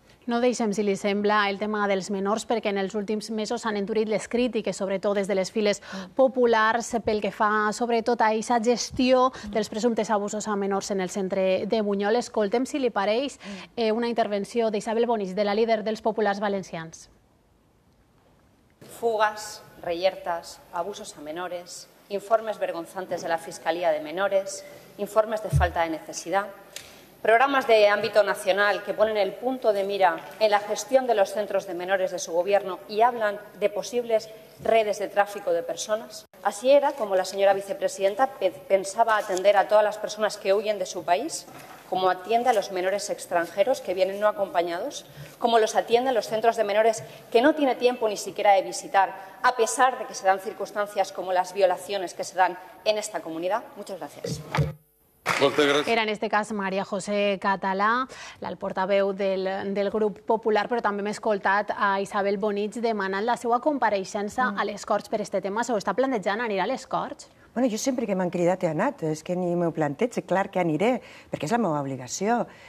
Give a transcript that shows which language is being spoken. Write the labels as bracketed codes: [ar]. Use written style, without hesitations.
[ca] No deixem, si li sembla, el tema dels menors, perquè en els últims mesos s'han endurit les crítiques, sobretot des de les files populars, pel que fa sobretot a aquesta gestió dels presumptes abusos a menors en el centre de Bunyol. Escoltem, si li pareix, una intervenció d'Isabel Bonis, de la líder dels populars valencians. [es] Fugas, reyertas, abusos a menores, informes vergonzantes de la Fiscalía de Menores, informes de falta de necesidad, programas de ámbito nacional que ponen el punto de mira en la gestión de los centros de menores de su Gobierno y hablan de posibles redes de tráfico de personas. Así era como la señora vicepresidenta pensaba atender a todas las personas que huyen de su país, como atiende a los menores extranjeros que vienen no acompañados, como los atienden los centros de menores que no tiene tiempo ni siquiera de visitar, a pesar de que se dan circunstancias como las violaciones que se dan en esta comunidad. Muchas gracias. [ca] Era en este cas María José Català, el portaveu del grup popular, però també hem escoltat a Isabel Bonig demanant la seva compareixença a les Corts per aquest tema. Se ho està plantejant, anirà a les Corts? Bueno, jo sempre que m'han cridat he anat, és que ni m'ho plantejo, clar que aniré, perquè és la meva obligació.